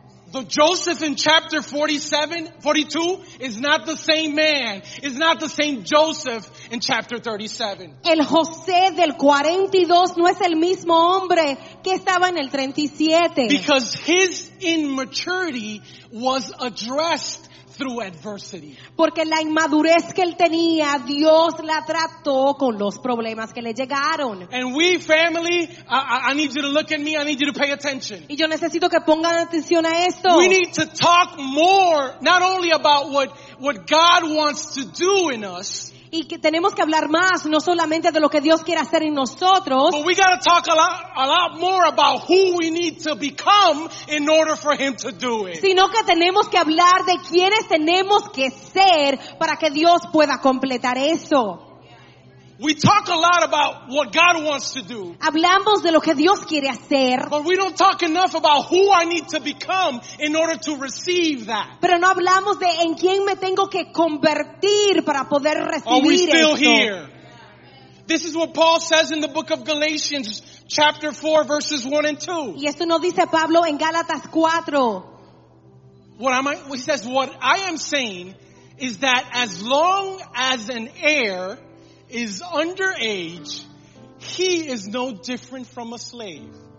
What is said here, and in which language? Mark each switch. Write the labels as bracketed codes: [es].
[en] The Joseph in chapter 47, 42 is not the same man. It's not the same Joseph in chapter 37. [es] El José del 42 no es el mismo hombre que estaba en el 37. [en] Because his immaturity was addressed through adversity. [es] Porque la inmadurez que él tenía, Dios la trató con los problemas que le llegaron. [en] And we family, I need you to look at me, I need you to pay attention. [es] Y yo necesito que pongan atención a esto. [en] We need to talk more, not only about what God wants to do in us. [es] Y que tenemos que hablar más, no solamente de lo que Dios quiere hacer en nosotros. [en] But we gotta talk a lot more about who we need to become in order for Him to do it. [es] Sino que tenemos que hablar de quiénes tenemos que ser para que Dios pueda completar eso. [en] We talk a lot about what God wants to do. [es] Hablamos de lo que Dios quiere hacer. [en] But we don't talk enough about who I need to become in order to receive that. [es] Pero no hablamos de en quién me tengo que convertir para poder recibir esto. [en] Are we still here? This is what Paul says in the book of Galatians, chapter 4, verses 1 and 2. [es] Y esto nos dice Pablo en Gálatas 4. [en] What I am saying is that as long as an heir is underage, he is no different from a slave.